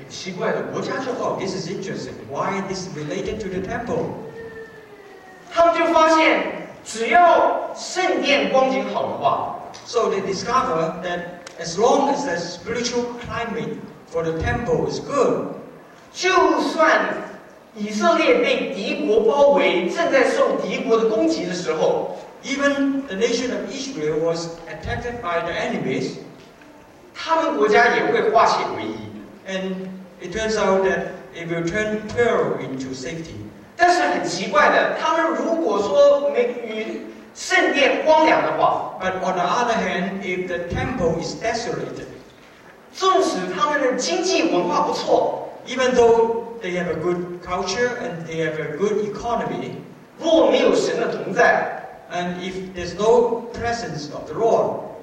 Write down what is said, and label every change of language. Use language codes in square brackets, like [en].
[zh] 奇怪了,国家就好, [en] this is interesting. Why is this related to the temple? [zh] 他们就发现, [en] so they discover that as long as the spiritual climate for the temple is good. [zh] 就算以色列被敌国包围，正在受敌国的攻击的时候， [en] even the nation of Israel was attacked by the enemies, [zh] 他们国家也会化险为夷， [en] and it turns out that it will turn peril into safety. [zh] 但是很奇怪的，他们如果说没与圣殿荒凉的话， [en] but on the other hand, if the temple is desolated, [zh] 纵使他们的经济文化不错， [en] even though they have a good culture and they have a good economy, [zh] 若没有神的同在， [en] and if there's no presence of the Lord,